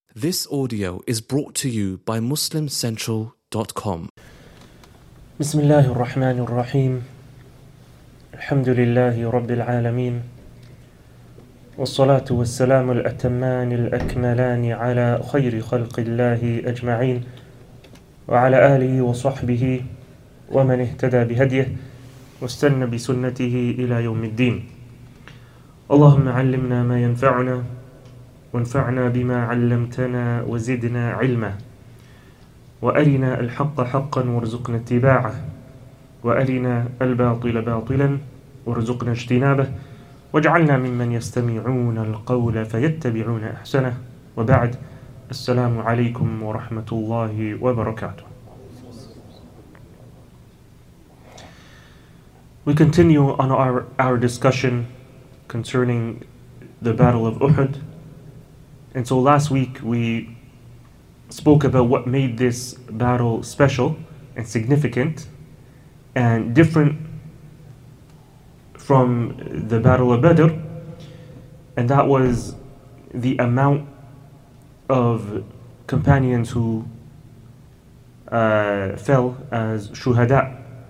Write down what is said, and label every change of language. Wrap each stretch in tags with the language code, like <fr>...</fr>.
<en>This audio is brought to you by MuslimCentral.com.</en> <ar>بسم الله الرحمن الرحيم الحمد لله رب العالمين والصلاة والسلام الأتمان الأكملان على خير خلق الله أجمعين وعلى آله وصحبه ومن اهتدى بهديه واستنى بسنته إلى يوم الدين. اللهم علمنا ما ينفعنا وانفعنا بما علمتنا وزدنا علما وأرنا الحق حقا وارزقنا اتباعه وأرنا الباطل باطلا وارزقنا اجتنابه واجعلنا ممن يستمعون القول فيتبعون أحسنه وبعد السلام عليكم ورحمة الله وبركاته.</ar> <en>We continue on our discussion concerning the Battle of Uhud. And so last week we spoke about what made this battle special and significant and different from the Battle of Badr, and that was the amount of companions who fell as shuhada.</en>